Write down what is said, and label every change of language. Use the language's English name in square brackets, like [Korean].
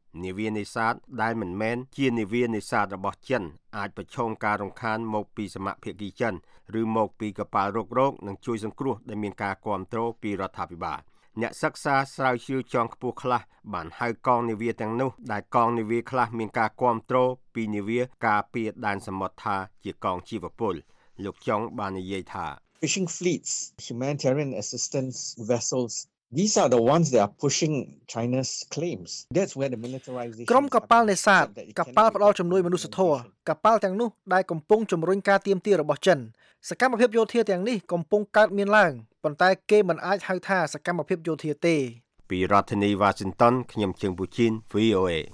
[Khmer] នាវានេសាទដែលមិនមែនជានាវានេសាទរបស់ចិនអាចប្រឈមការរំខានមកពីសមាភិកីចិនឬមកពីកប៉ាល់រុករកនិងជួយសង្គ្រោះដែលមានការគ្រប់គ្រងពីរដ្ឋាភិបាលអ្នកសិក្សាស្រាវជ្រាវចងខ្ពស់ខ្លះបានហៅកងនាវាទាំងនោះដែលកងនាវាខ្លះមានការគ្រប់គ្រងពីនាវាការពារដែនសមុទ្រថាជាកងជីវពលលោកចុងបាននិយាយថា [English] Fishing fleets humanitarian assistance vessels These are the ones that are pushing China's claims. That's where the militarization [Khmer] ក្រុមកប៉ាល់នេសាទកប៉ាល់ផ្ដល់ជំនួយមនុស្សធម៌កប៉ាល់ទាំងនោះដែលកំពុងជំរុញការទាមទាររបស់ចិនសកម្មភាពយោធាទាំងនេះកំពុងកើតមានឡើងប៉ុន្តែគេមិនអាចហៅថាសកម្មភាពយោធាទេ ពីរដ្ឋធានី Washington ខ្ញុំជើងពូជីន VOA